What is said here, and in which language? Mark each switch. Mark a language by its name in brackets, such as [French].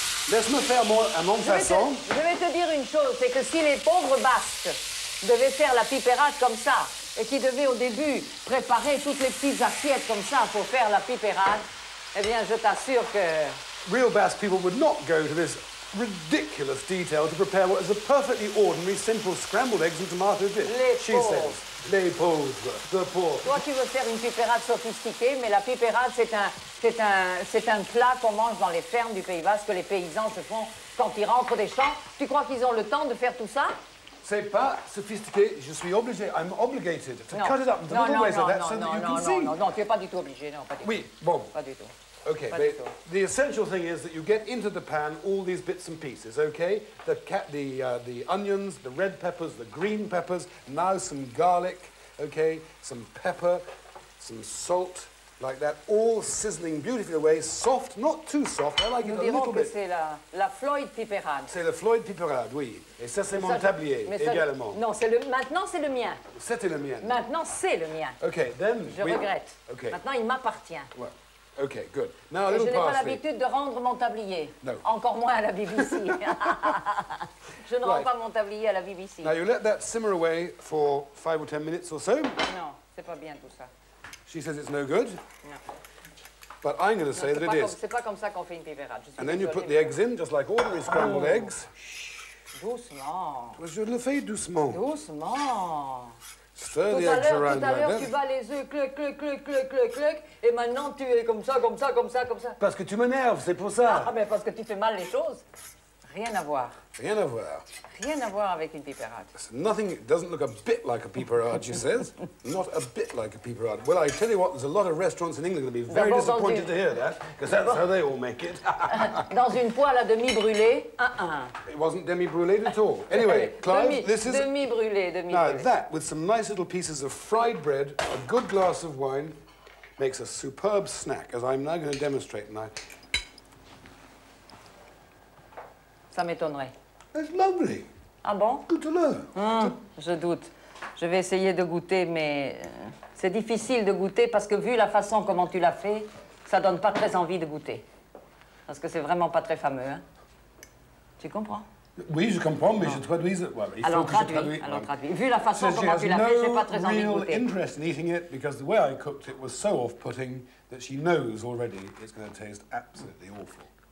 [French] Laisse-moi faire mon façon. Je vais te dire une chose, c'est que si les pauvres Basques devaient faire la piperade comme ça, et qu'ils devaient au début préparer toutes les petites assiettes comme ça pour faire la piperade, eh bien, je t'assure que... [English] Real Basque people would not go to this... ridiculous detail to prepare what is a perfectly ordinary, simple scrambled eggs and tomato dish. [French] Les pauvres. Les pauvres. [English] The poor. [French] Toi, tu veux faire une piperade sophistiquée, mais la piperade, c'est un plat qu'on mange dans les fermes du Pays Basque, que les paysans se font quand ils rentrent des champs. Tu crois qu'ils ont le temps de faire tout ça? C'est pas sophistiqué. Je suis obligé. [English] I'm obligated to cut it up into little ways like that so that you can see. [French] Non, tu n'es pas du tout obligé. Pas du tout. [English] Okay, but the essential thing is that you get into the pan all these bits and pieces, okay? The onions, the red peppers, the green peppers, now some garlic, okay? Some pepper, some salt, like that, all sizzling beautifully away, soft, not too soft, I like [French] Nous [English] it a little bit. [French] C'est la Floyd piperade. C'est la Floyd piperade, oui. Et ça, c'est mon tablier, également. Non, maintenant, c'est le mien. C'était le mien. Maintenant, c'est le mien. [English] Okay, then... [French] Je regrette. Okay. Maintenant, il m'appartient. [English] Well. OK, good. Now, a little [French] je n'ai pas l'habitude de rendre mon tablier. [English] No. [French] Encore moins à la BBC. Je ne rends pas mon tablier à la BBC. [English] Now, you let that simmer away for 5 or 10 minutes or so. [French] Non, c'est pas bien tout ça. [English] She says it's no good. [French] Non. [English] But I'm going to say that it is. [French] C'est pas comme ça qu'on fait une piperade. [English] And then you put the eggs in, just like ordinary scrambled eggs. [French] Chut, doucement. Je le fais doucement. Doucement. [English] Stir the eggs around like that. [French] Tu bats les œufs, cluc, cluc, cluc, cluc, cluc, cluc, et maintenant tu es comme ça, comme ça, comme ça, comme ça. Parce que tu m'énerves, c'est pour ça. Ah, mais parce que tu fais mal les choses. Rien à voir. Rien à voir. Rien à voir avec une piperade. [English] It's nothing, it doesn't look a bit like a piperade, she says. Not a bit like a piperade. Well, I tell you what, there's a lot of restaurants in England going to be very disappointed to hear that, because that's how they all make it. [French] Dans une poêle à demi-brûlée, un-un. [English] It wasn't demi-brûlée at all. Anyway, Clive, [French] demi-brûlée. [English] Now, that, with some nice little pieces of fried bread, a good glass of wine, makes a superb snack, as I'm now going to demonstrate. And I... [French] Ça m'étonnerait. [English] It's lovely. [French] Ah bon? [English] Good to know. [French] Je doute. Je vais essayer de goûter, mais c'est difficile de goûter parce que vu la façon comment tu l'as fait, ça donne pas très envie de goûter. Parce que c'est vraiment pas très fameux, hein? Tu comprends? Oui, je comprends, mais je traduis... Alors traduis. Vu la façon comment tu l'as fait, j'ai pas très envie de goûter. [English] She has no real interest in eating it because the way I cooked it was so off-putting that she knows already it's going to taste absolutely awful.